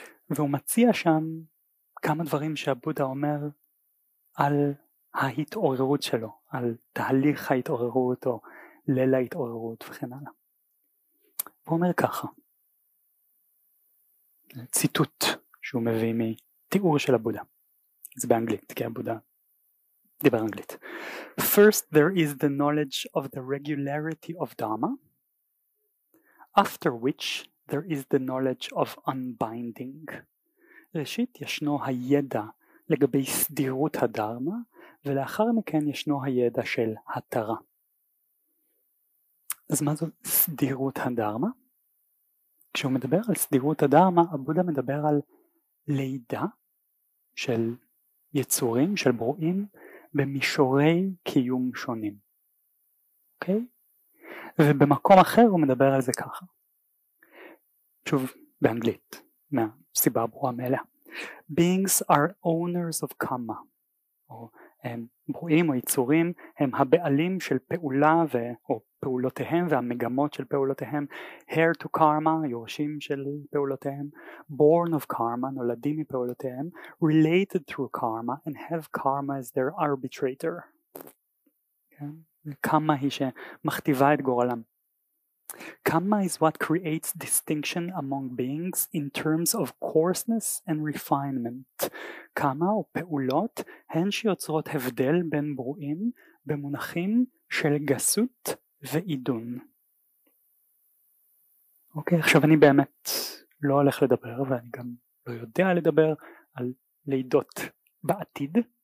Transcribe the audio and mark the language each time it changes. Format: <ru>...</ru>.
<he>והוא מציע שם כמה דברים שהבודה אומר על ההתעוררות שלו, על תהליך ההתעוררות או ליל ההתעוררות וכן הלאה. הוא אומר ככה, ציטוט שהוא מביא מתיאור של הבודה. זה באנגלית, כי הבודה דיבר אנגלית.</he> <en>First there is the knowledge of the regularity of Dharma, after which there is the knowledge of unbinding.</en> <he>ראשית ישנו הידע לגבי סדירות הדרמה, ולאחר מכן ישנו הידע של התרה. אז מה זו סדירות הדרמה? כשהוא מדבר על סדירות הדרמה, הבודה מדבר על לידה של יצורים, של ברואים, במישורי קיום שונים. אוקיי? ובמקום אחר הוא מדבר על זה ככה. שוב באנגלית, מהסיבה הברורה מאליה.</he> <en>Beings are owners of karma.</en> <he>או הם ברואים או יצורים, הם הבעלים של פעולה ו, או פעולותיהם והמגמות של פעולותיהם.</he> <en>Heir to karma,</en> <he>יורשים של פעולותיהם.</he> <en>Born of karma,</en> <he>נולדים מפעולותיהם.</he> <en>Related through karma and have karma as their arbitrator.</en> <he>כן? karma היא שמכתיבה את גורלם.</he> <en>Karma is what creates distinction among beings in terms of coarseness and refinement.</en> <he>Karma או פעולות הן שיוצרות הבדל בין ברואים במונחים של גסות ועידון. אוקיי, עכשיו אני באמת לא הולך לדבר ואני גם לא יודע לדבר על לידות בעתיד.</he>